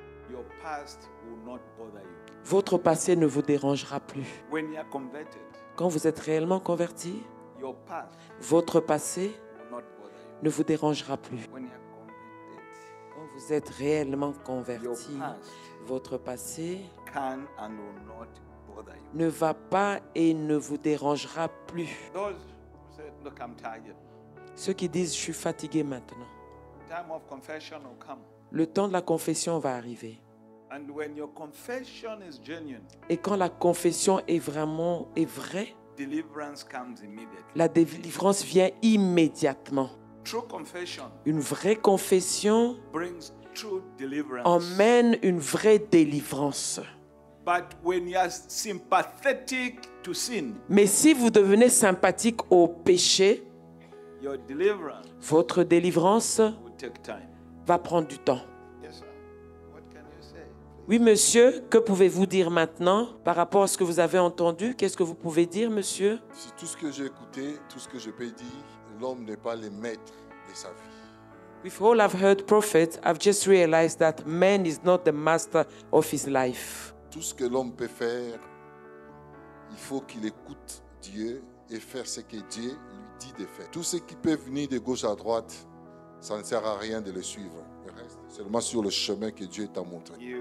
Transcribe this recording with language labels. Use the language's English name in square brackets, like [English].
[French] votre passé ne vous bothera pas. Votre passé ne vous dérangera plus. [English] When you are converted, [French] quand vous êtes réellement converti, [English] your past, [French] votre passé [English] not bother you. [French] Ne vous dérangera plus. [English] When you are converted, [French] quand vous êtes réellement converti, [English] your past, [French] votre passé [English] can and will not bother you. [French] Ne va pas et ne vous dérangera plus. [English] Those who say, look, I'm tired. [French] Ceux qui disent, je suis fatigué maintenant. [English] time of confession will come. [French] Le temps de la confession va arriver. [English] And when your confession is genuine, [French] et quand la confession est vraie, [English] deliverance comes immediately. [French] La délivrance vient immédiatement. [English] True confession, [French] une vraie confession [English] brings true deliverance. [French] Emmène une vraie délivrance. [English] But when you are sympathetic to sin, [French] mais si vous devenez sympathique au péché, [English] your deliverance, [French] votre délivrance [English] will take time. [French] Va prendre du temps. [English] Yes, sir. What can you say, please? [French] Oui, monsieur, que pouvez-vous dire maintenant par rapport à ce que vous avez entendu? Qu'est-ce que vous pouvez dire, monsieur? Si tout ce que j'ai écouté, tout ce que je peux dire, l'homme n'est pas le maître de sa vie. [English] With all I've heard, prophet, I've just realized that man is not the master of his life. [French] Tout ce que l'homme peut faire, il faut qu'il écoute Dieu et faire ce que Dieu lui dit de faire. Tout ce qui peut venir de gauche à droite, ça ne sert à rien de le suivre. Il reste seulement sur le chemin que Dieu t'a montré.